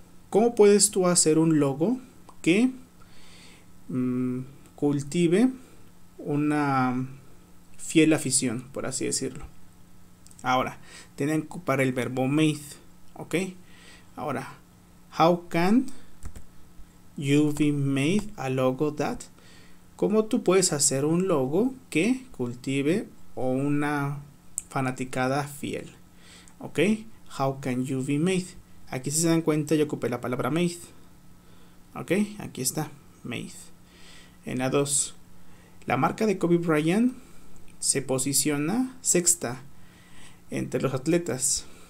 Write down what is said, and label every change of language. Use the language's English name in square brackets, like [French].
[Spanish] ¿Cómo puedes tú hacer un logo que cultive una fiel afición, por así decirlo? Ahora, tienen que ocupar el verbo made, ¿ok? Ahora, [English] how can you be made a logo that? [Spanish] ¿Cómo tú puedes hacer un logo que cultive o una fanaticada fiel? ¿Ok? [English] How can you be made? [Spanish] Aquí, si se dan cuenta, yo ocupé la palabra made. ¿Ok? Aquí está, made. En la 2, la marca de Kobe Bryant se posiciona sexta entre los atletas.